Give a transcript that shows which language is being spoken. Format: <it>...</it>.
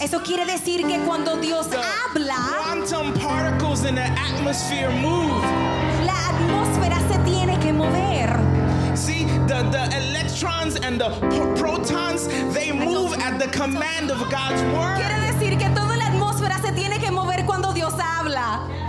<es>eso quiere decir que cuando Dios habla,</es> <en>quantum particles in the atmosphere move.</en> <es>La atmósfera se tiene que mover.</es> <en>See, the electrons and the protons, they move at the command of God's word.</en> <es>Quiere decir que toda la atmósfera se tiene que mover cuando Dios habla.</es>